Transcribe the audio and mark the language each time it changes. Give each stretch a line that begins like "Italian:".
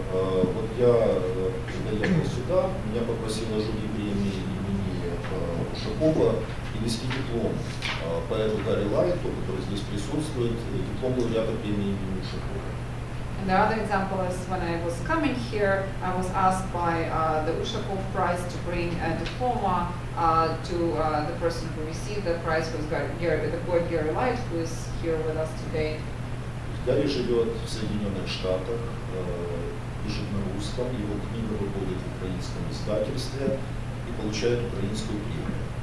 Russian: Вот я приехал сюда, меня попросила жюри премии имени Ушакова. Вести диплом поэту Гарри Лайту, который здесь присутствует, диплом лауреата премии имени Ушакова.
English: And the other example is when I was coming here, I was asked by the Ushakov Prize to bring a diploma to the person who received the prize, who's got Gary, the poet Gary Light, who is here with us today.
Ukrainian: Гарі живе в Соєднаних Штатах, пише на русском, його книга виходить в українському издательстві і отримує українську премію.